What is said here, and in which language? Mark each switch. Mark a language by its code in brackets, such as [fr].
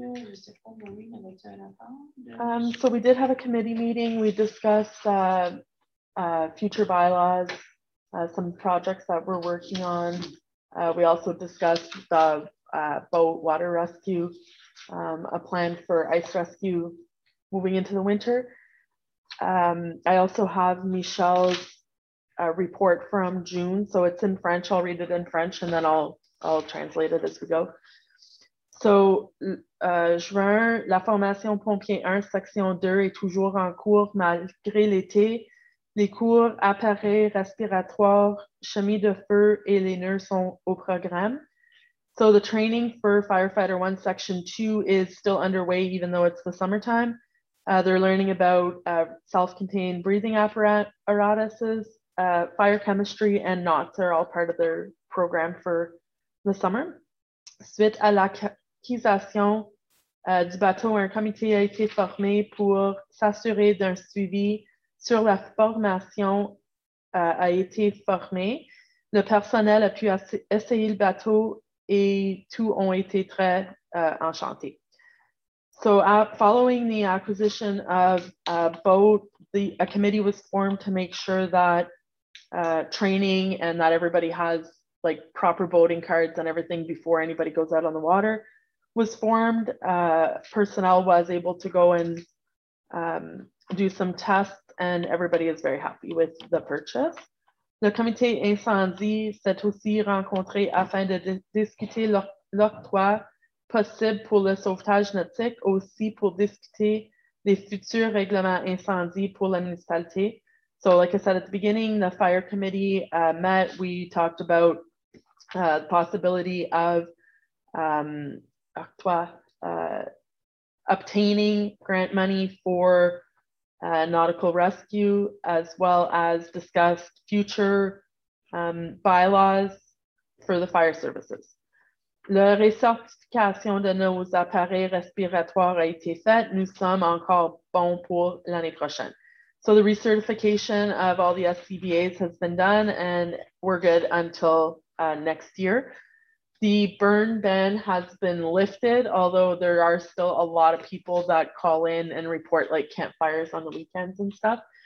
[fr] Je ne sais pas, Maureen, avec un rapport. [en] So we did have a committee meeting. We discussed future bylaws, some projects that we're working on. We also discussed the boat water rescue, a plan for ice rescue moving into the winter. I also have Michelle's report from June. So it's in French. I'll read it in French and then I'll translate it as we go. [fr] So, juin, la formation pompier 1, section 2 est toujours en cours malgré l'été. Les cours, appareils respiratoires, chemise de feu et les nœuds sont au programme. [en] So the training for Firefighter 1 Section 2 is still underway even though it's the summertime. They're learning about self-contained breathing apparatuses. Fire chemistry and knots are all part of their program for the summer. [fr] Suite à l'acquisition du bateau, un comité a été formé pour s'assurer d'un suivi sur la formation a été formée. Le personnel a pu essayer le bateau et tous ont été très enchantés. [en] So following the acquisition of a boat, a committee was formed to make sure that training and that everybody has like proper boating cards and everything before anybody goes out on the water was formed. Personnel was able to go and do some tests. And everybody is very happy with the purchase. [fr] Le comité incendie s'est aussi rencontré afin de discuter l'octroi possible pour le sauvetage nautique, aussi pour discuter des futurs règlements incendie pour la municipalité. [en] So like I said at the beginning, the fire committee met. We talked about the possibility of octroi obtaining grant money for nautical rescue, as well as discussed future bylaws for the fire services. [fr] La recertification de nos appareils respiratoires a été faite. Nous sommes encore bons pour l'année prochaine. [en] So the recertification of all the SCBAs has been done and we're good until next year. The burn ban has been lifted, although there are still a lot of people that call in and report like campfires on the weekends and stuff.